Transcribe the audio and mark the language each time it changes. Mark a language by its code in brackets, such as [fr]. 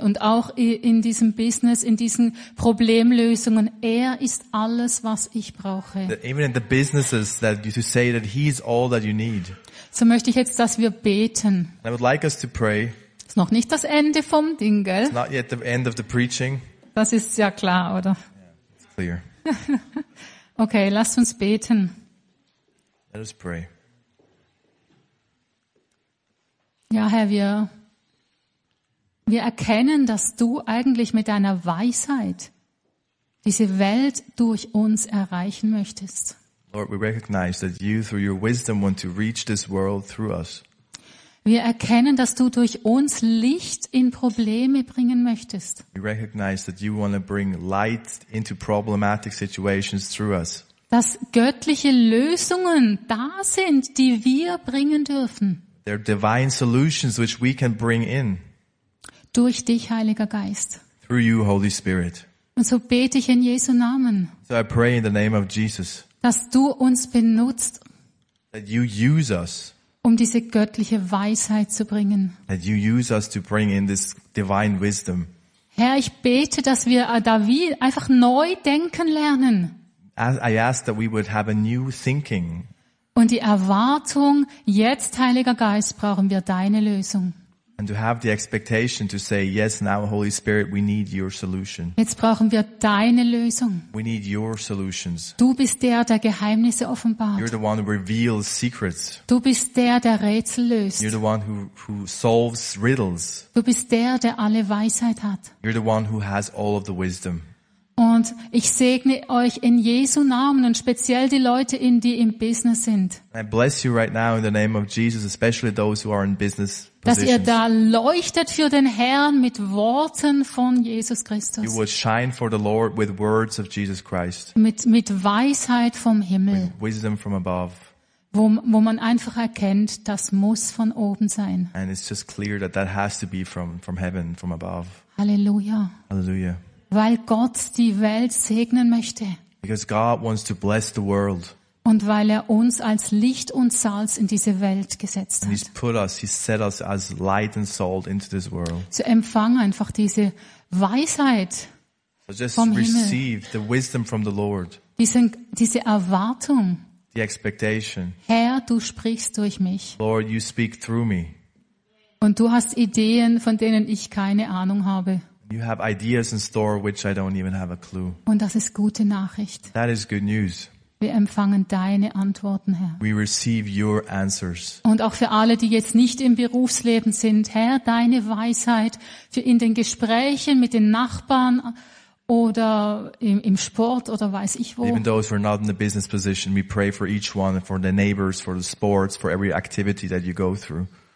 [de] Und auch in diesem Business, in diesen Problemlösungen. Er ist alles, was ich brauche. [en] Even in the businesses that you say that he's all that you need. [de] So möchte ich jetzt, dass wir beten. [en] I would like us to pray. [de] Ist noch nicht das Ende vom Ding, gell? [en] It's not yet the end of the preaching. [de] Das ist ja klar, oder? [en] Yeah, it's clear. [de] Okay, lasst uns beten. [en] Let us pray. [de] Ja, Herr, wir erkennen, dass du eigentlich mit deiner Weisheit diese Welt durch uns erreichen möchtest. [en] Lord, we recognize that you through your wisdom want to reach this world through us. [de] Wir erkennen, dass du durch uns Licht in Probleme bringen möchtest. [en] We recognize that you want to bring light into problematic situations through us. [de] Dass göttliche Lösungen da sind, die wir bringen dürfen. [en] There are divine solutions which we can bring in. [de] Durch dich, Heiliger Geist. [en] Through you, Holy Spirit. [de] Und so bete ich in Jesu Namen. [en] So I pray in the name of Jesus. [de] Dass du uns benutzt. [en] That you use us. [de] Um diese göttliche Weisheit zu bringen. [en] That you use us to bring in this divine wisdom. [de] Herr, ich bete, dass wir David einfach neu denken lernen. [en] I ask that we would have a new thinking. [de] Und die Erwartung, jetzt, Heiliger Geist, brauchen wir deine Lösung. [en] And to have the expectation to say, yes, now, Holy Spirit, we need your solution. [de] Jetzt brauchen wir deine Lösung. [en] We need your solutions. [de] Du bist der Geheimnisse offenbart. [en] You're the one who reveals secrets. [de] Du bist der Rätsel löst. [en] You're the one who solves riddles. [de] Du bist der alle Weisheit hat. [en] You're the one who has all of the wisdom. [de] Und ich segne euch in Jesu Namen und speziell die Leute, die im Business sind. [en] I bless you right now in the name of Jesus, especially those who are in business positions. [de] Dass ihr da leuchtet für den Herrn mit Worten von Jesus Christus. [en] You will shine for the Lord with words of Jesus Christ. [de] Mit Weisheit vom Himmel. [en] With wisdom from above. [de] Wo man einfach erkennt, das muss von oben sein. [en] And it's just clear that that has to be from heaven, from above. [de] Halleluja. [en] Halleluja. [de] Weil Gott die Welt segnen möchte. [en] Because God wants to bless the world. [de] Und weil er uns als Licht und Salz in diese Welt gesetzt hat. [en] He's put us, he set us as light and salt into this world. [de] So empfang einfach diese Weisheit [en] so just [de] vom Himmel. [en] Receive the wisdom from the Lord. [de] Diese Erwartung. [en] The expectation. [de] Herr, du sprichst durch mich. [en] Lord, you speak through me. [de] Und du hast Ideen, von denen ich keine Ahnung habe. [en] You have ideas in store which I don't even have a clue. [de] Und das ist gute Nachricht. [en] That is good news. [de] Wir empfangen deine Antworten, Herr. [en] We receive your answers. [de] Und auch für alle, die jetzt nicht im Berufsleben sind, Herr, deine Weisheit für in den Gesprächen mit den Nachbarn oder im Sport oder weiß ich wo. [en] Even those who are not in the business position, we pray for each one, for the neighbors, for the sports, for every activity that you go through.